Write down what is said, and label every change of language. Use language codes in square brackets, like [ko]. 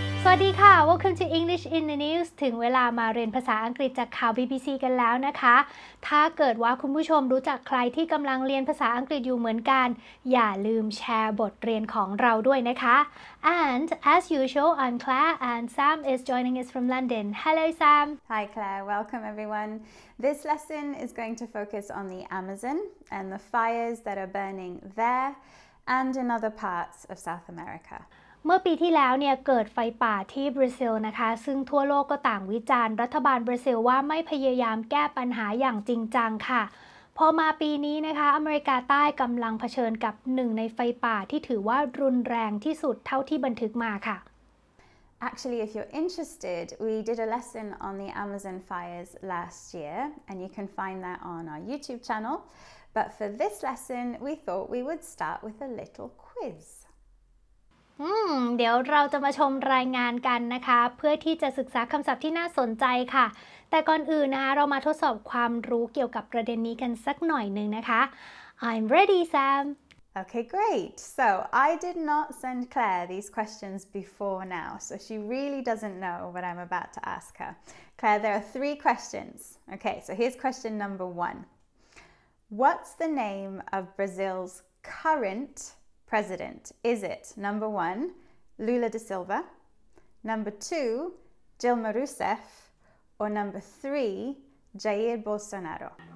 [th] วัสดีค่ะ [en] Welcome to English in the News [th] ถึงเวลามาเรียนภาษาอังกฤษจากข่าว BBC กันแล้วนะคะถ้าเกิดว่าคุณผู้ชมรู้จักใครที่กำลังเรียนภาษาอังกฤษอยู่เหมือนกันอย่าลืมแชร์บทเรียนของเราด้วยนะคะ [en] And as usual I'm Claire and Sam is joining us from London Hello Sam Hi Claire Welcome everyone This lesson is going to focus on the Amazon and the fires that are burning there and in other parts of South America [th] เมื่อปีที่แล้วเนี่ยเกิดไฟป่าที่บราซิลนะคะซึ่งทั่วโลกก็ต่างวิจารณ์รัฐบาลบราซิลว่าไม่พยายามแก้ปัญหาอย่างจริงจังค่ะพอมาปีนี้นะคะอเมริกาใต้กำลังเผชิญกับหนึ่งในไฟป่าที่ถือว่ารุนแรงที่สุดเท่าที่บันทึกมาค่ะ [en] Actually if you're interested we did a lesson on the Amazon fires last year and you can find that on our YouTube channel but for this lesson we thought we would start with a little quiz [th] เดี๋ยวเราจะมาชมรายงานกันนะคะเพื่อที่จะศึกษาคำศัพท์ที่น่าสนใจค่ะแต่ก่อนอื่นนะคะเรามาทดสอบความรู้เกี่ยวกับประเด็นนี้กันสักหน่อยนึงนะคะ [en] I'm ready Sam Okay great so I did not send Claire these questions before now so she really doesn't know what I'm about to ask her Claire there are three questions okay so here's question number one What's the name of Brazil's currentPresident, is it number one, Lula da Silva, number two, Dilma Rousseff, or number three, Jair Bolsonaro?